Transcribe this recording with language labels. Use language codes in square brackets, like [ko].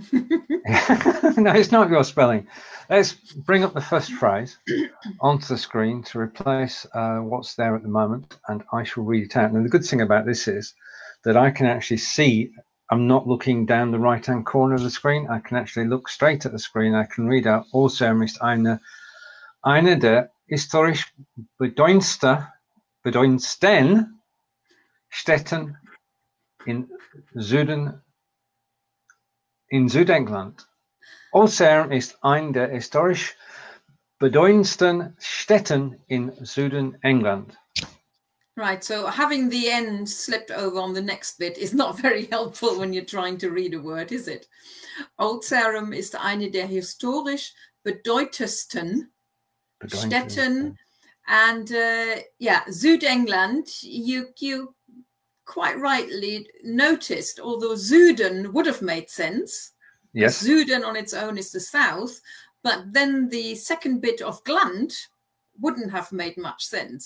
[en] No, it's not your spelling. Let's bring up the first phrase onto the screen to replace what's there at the moment, and I shall read it out. And the good thing about this is that I can actually see, I'm not looking down the right-hand corner of the screen. I can actually look straight at the screen. I can read out, [de] also, ist eine der historisch bedeutendsten Städten in Südengland. Olsern ist eine der historisch bedeutendsten Städten in Südengland. [en] Right, so having the N slipped over on the next bit is not very helpful when you're trying to read a word, is it? [de] Old Sarum ist eine der historisch bedeutendsten Städten. [en] And yeah, Südengland, you quite rightly noticed, although Süden would have made sense. Yes. Süden on its own is the south, but then the second bit of Gland wouldn't have made much sense.